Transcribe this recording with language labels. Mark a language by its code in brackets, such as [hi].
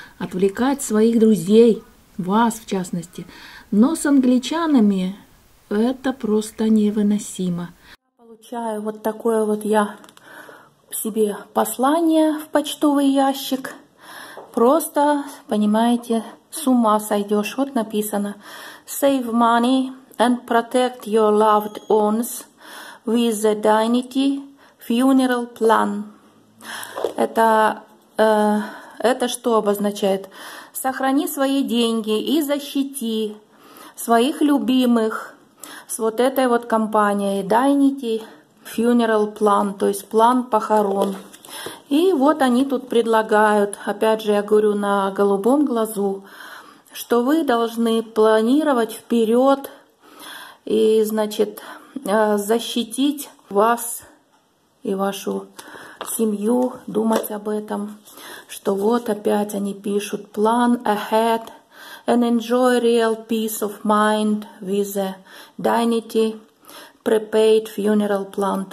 [ru] Отвлекать своих друзей, вас в частности. Но с англичанами это просто невыносимо. Получаю вот такое вот я себе послание в почтовый ящик. Просто, понимаете, с ума сойдешь. Вот написано: [en] Save money and protect your loved ones with the Dignity Funeral Plan. [ru] Это что обозначает? Сохрани свои деньги и защити своих любимых с вот этой вот компанией Dignity Funeral Plan, то есть план похорон. И вот они тут предлагают, опять же я говорю на голубом глазу, что вы должны планировать вперед и, значит, защитить вас и вашу семью, думать об этом, что вот опять они пишут [en] «Plan ahead and enjoy real peace of mind with the Dignity prepaid funeral plan».